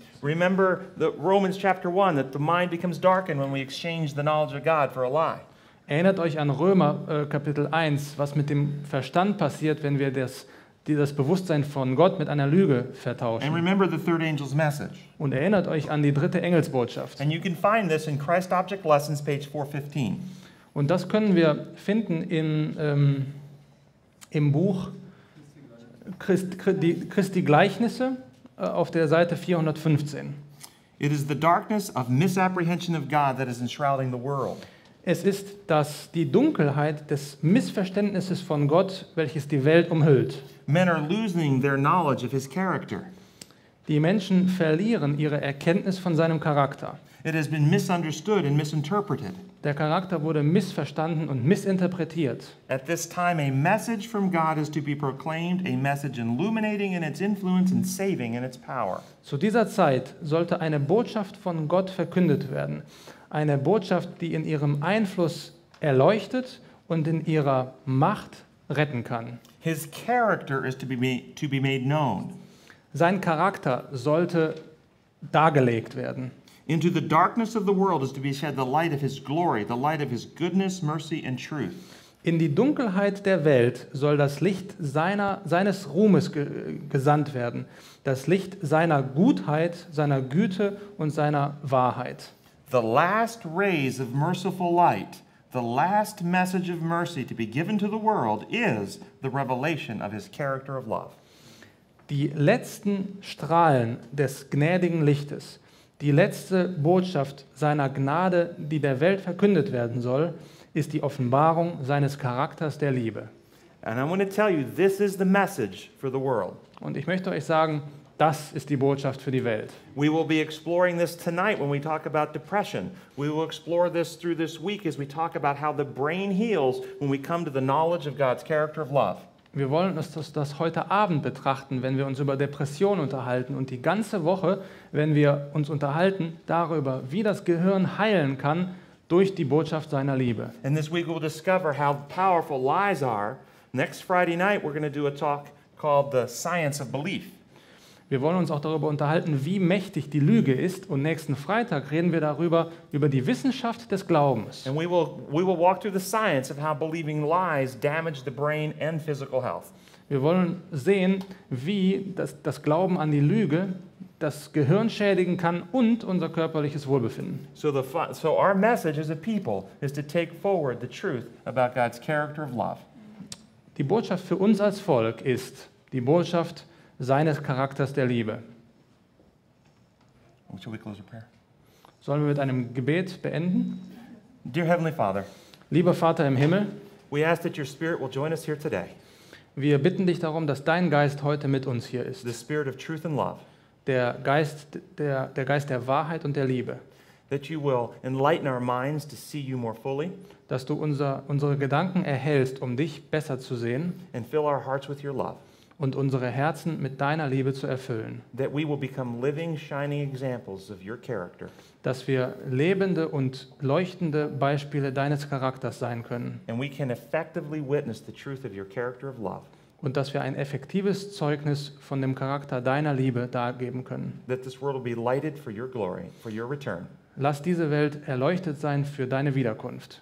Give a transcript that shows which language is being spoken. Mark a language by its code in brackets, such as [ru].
[en] Remember the Romans chapter 1, that the mind becomes darkened when we exchange the knowledge of God for a lie. [de] Erinnert euch an Römer Kapitel 1, was mit dem Verstand passiert, wenn wir das Bewusstsein von Gott mit einer Lüge vertauschen. [en] And remember the third angel's message. [de] Und erinnert euch an die dritte Engelsbotschaft. [en] And you can find this in Christ Object Lessons, page 415. [de] Und das können wir finden in im Buch Christi Gleichnisse, auf der Seite 415. [en] It is the darkness of misapprehension of God that is enshrouding the world. [de] Es ist das die Dunkelheit des Missverständnisses von Gott, welches die Welt umhüllt. [en] Men are losing their knowledge of his character. [de] Die Menschen verlieren ihre Erkenntnis von seinem Charakter. [en] It has been misunderstood and misinterpreted. [de] Der Charakter wurde missverstanden und missinterpretiert. [en] At this time a message from God is to be proclaimed, a message illuminating in its influence and saving in its power. [de] Zu dieser Zeit sollte eine Botschaft von Gott verkündet werden. Eine Botschaft, die in ihrem Einfluss erleuchtet und in ihrer Macht retten kann. [en] His character is to be made known. [de] Sein Charakter sollte dargelegt werden. [en] Into the darkness of the world is to be shed the light of his glory, the light of his goodness, mercy and truth. [de] In die Dunkelheit der Welt soll das Licht seines Ruhmes gesandt werden, das Licht seiner Gutheit, seiner Güte und seiner Wahrheit. [en] The last rays of merciful light, the last message of mercy to be given to the world is the revelation of his character of love. [de] Die letzten Strahlen des gnädigen Lichtes, die letzte Botschaft seiner Gnade, die der Welt verkündet werden soll, ist die Offenbarung seines Charakters der Liebe. [en] And I want to tell you, this is the message for the world. [de] Und ich möchte euch sagen, das ist die Botschaft für die Welt. [en] We will be exploring this tonight when we talk about depression. We will explore this through this week as we talk about how the brain heals when we come to the knowledge of God's character of love. [de] Wir wollen uns das heute Abend betrachten, wenn wir uns über Depression unterhalten, und die ganze Woche, wenn wir uns unterhalten darüber, wie das Gehirn heilen kann durch die Botschaft seiner Liebe. [en] And this week we'll discover how powerful lies are. Next Friday night we're going to do a talk called The Science of Belief. [de] Wir wollen uns auch darüber unterhalten, wie mächtig die Lüge ist. Und nächsten Freitag reden wir darüber, über die Wissenschaft des Glaubens. [en] And we will walk through the science of how believing lies damage the brain and physical health. [de] Wir wollen sehen, wie das Glauben an die Lüge das Gehirn schädigen kann und unser körperliches Wohlbefinden. [en] So our message as a people is to take forward the truth about God's character of love. [de] Die Botschaft für uns als Volk ist die Botschaft seines Charakters der Liebe. [en] Shall we close our prayer? [de] Sollen wir mit einem Gebet beenden? [en] Dear Heavenly Father, [de] Lieber Vater im Himmel, [en] we ask that your spirit will join us here today. [de] Wir bitten dich darum, dass dein Geist heute mit uns hier ist. [en] The spirit of truth and love. [de] Der Geist der Wahrheit und der Liebe. [en] That you will enlighten our minds to see you more fully. [de] Dass du unsere Gedanken erhellst, um dich besser zu sehen. [en] And fill our hearts with your love. [de] Und unsere Herzen mit deiner Liebe zu erfüllen. [en] That we will become living, shining examples of your character. [de] Dass wir lebende und leuchtende Beispiele deines Charakters sein können. [en] And we can effectively witness the truth of your character of love. [de] Und dass wir ein effektives Zeugnis von dem Charakter deiner Liebe dargeben können. [en] That this world will be lighted for your glory, for your return. [de] Lass diese Welt erleuchtet sein für deine Wiederkunft.